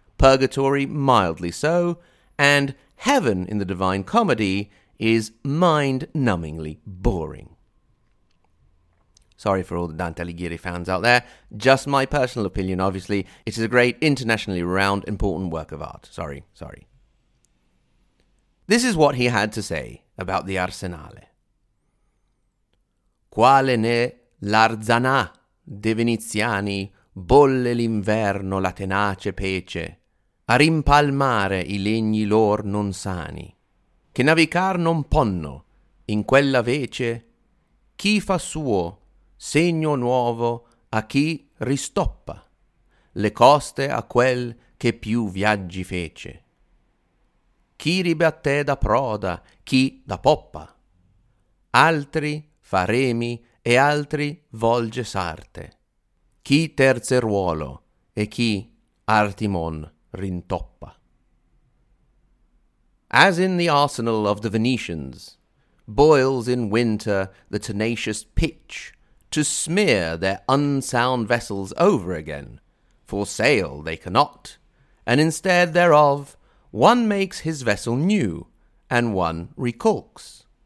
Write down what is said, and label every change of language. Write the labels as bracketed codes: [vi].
[en] Purgatory, mildly so. And heaven in the Divine Comedy is mind-numbingly boring. Sorry for all the Dante Alighieri fans out there. Just my personal opinion, obviously. It is a great, internationally renowned, important work of art. Sorry. This is what he had to say about the arsenale. [it] Quale ne l'arzana de Veneziani bolle l'inverno la tenace pece a rimpalmare I legni lor non sani che navicar non ponno in quella vece chi fa suo segno nuovo a chi ristoppa le coste a quel che più viaggi fece chi ribatté da proda chi da poppa altri faremi e altri volge sarte, chi terze ruolo e chi artimon rintoppa. [en] As in the arsenal of the Venetians, boils in winter the tenacious pitch to smear their unsound vessels over again, for sail they cannot, and instead thereof one makes his vessel new and one recalks.